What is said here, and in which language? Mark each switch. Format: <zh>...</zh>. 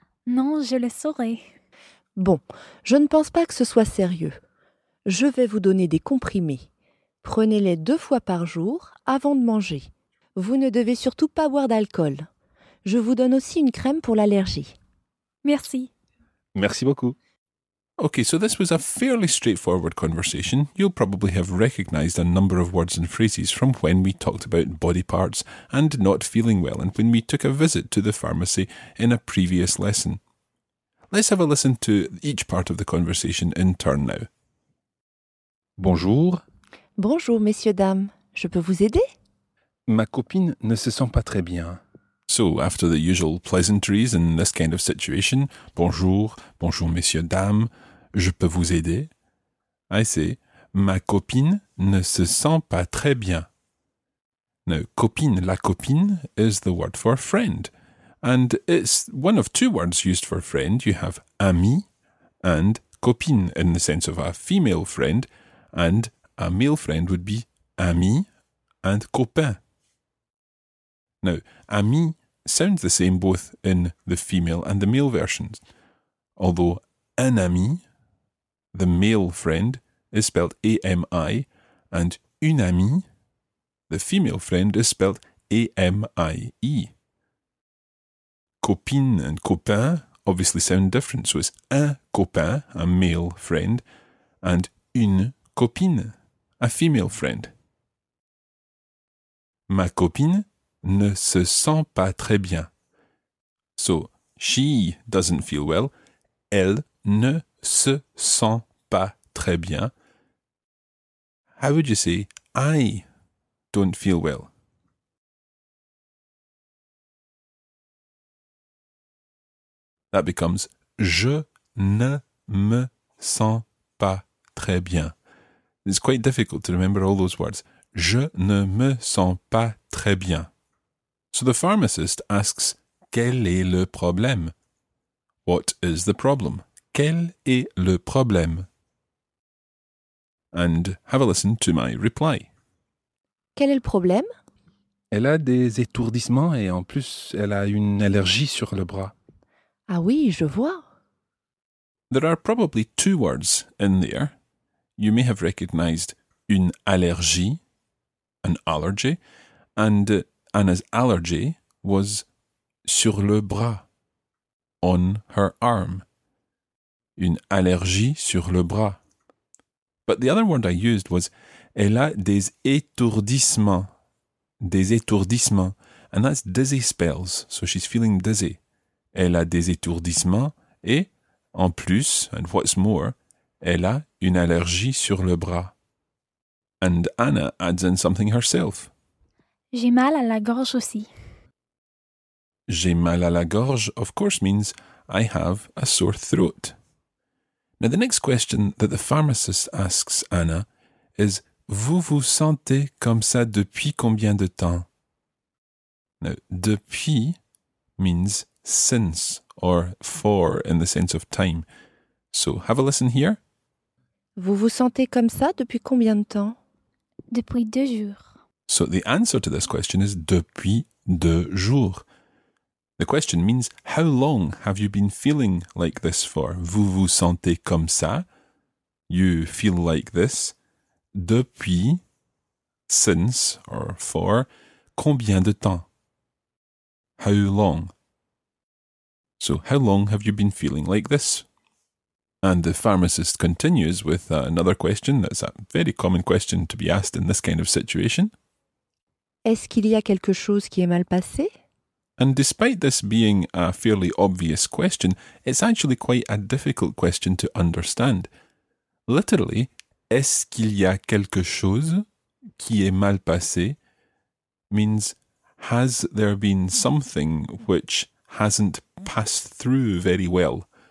<fr>Non, je le saurai. Bon, je ne pense pas que ce soit sérieux. Je vais vous donner des comprimés. Prenez-les 2 fois par jour avant de manger. Vous ne devez surtout pas boire d'alcool. Je vous donne aussi une crème pour l'allergie. Merci. Merci beaucoup.</fr> <en>Okay, so this was a fairly straightforward conversation. You'll probably have recognized a number of words and phrases from when we talked about body parts and not feeling well and when we took a visit to the pharmacy in a previous lesson. Let's have a listen to each part of the conversation in turn now.</en> <fr>Bonjour. Bonjour, messieurs, dames. Je peux vous aider? Ma copine ne se sent pas très bien.</fr> <en>So, after the usual pleasantries in this kind of situation,</en> <fr>bonjour, bonjour, messieurs, dames, je peux vous aider?</fr> <en>I say,</en> <fr>ma copine ne se sent pas très bien.</fr> <en>Now, copine, la copine, is the word for friend. And it's one of 2 words used for friend. You have ami and copine in the sense of a female friend. And a male friend would be ami and copain. Now, ami sounds the same both in the female and the male versions. Although un ami, the male friend, is spelled A-M-I. And une amie, the female friend, is spelled A-M-I-E. Copine and copain obviously sound different, so it's un copain, a male friend, and une copine, a female friend.</en> <fr>Ma copine ne se sent pas très bien.</fr> <en>So, she doesn't feel well.</en> <fr>Elle ne se sent pas très bien.</fr> <en>How would you say I don't feel well? That becomes</en> <fr>je ne me sens pas très bien.</fr> <en>It's quite difficult to remember all those words.</en> <fr>Je ne me sens pas très bien.</fr> <en>So the pharmacist asks,</en> <fr>quel est le problème?</fr> <en>What is the problem?</en> <fr>Quel est le problème?</fr> <en>And have a listen to my reply.</en> <fr>Quel est le problème? Elle a des étourdissements et en plus elle a une allergie sur le bras. Ah oui, je vois.</fr> <en>There are probably 2 words in there. You may have recognized une allergie, an allergy, and Anna's allergy was</en> <fr>sur le bras,</fr> <en>on her arm.</en> <fr>Une allergie sur le bras.</fr> <en>But the other word I used was</en> <fr>elle a des étourdissements. Des étourdissements.</fr> <en>And that's dizzy spells, so she's feeling dizzy.</en> <fr>Elle a des étourdissements et, en plus,</fr> <en>and what's more,</en> <fr>elle a une allergie sur le bras.</fr> <en>And Anna adds in something herself.</en> <fr>J'ai mal à la gorge aussi. J'ai mal à la gorge,</fr> <en>of course, means I have a sore throat. Now, the next question that the pharmacist asks Anna is,</en> <fr>vous vous sentez comme ça depuis combien de temps?</fr> <en>Now, depuis means since or for in the sense of time. So have a listen here.</en> <fr>Vous vous sentez comme ça depuis combien de temps? Depuis 2 jours.</fr> <en>So the answer to this question is</en> <fr>depuis 2 jours.</fr> <en>The question means how long have you been feeling like this for?</en> <fr>Vous vous sentez comme ça?</fr> <en>You feel like this? Depuis, since or for,</en> <fr>combien de temps?</fr> <en>How long? So how long have you been feeling like this? And the pharmacist continues with another question that's a very common question to be asked in this kind of situation.</en> <fr>Est-ce qu'il y a quelque chose qui est mal passé?</fr> <en>And despite this being a fairly obvious question, it's actually quite a difficult question to understand. Literally,</en> <fr>est-ce qu'il y a quelque chose qui est mal passé</fr> <en>means has there been something which hasn't passed through very well?</en>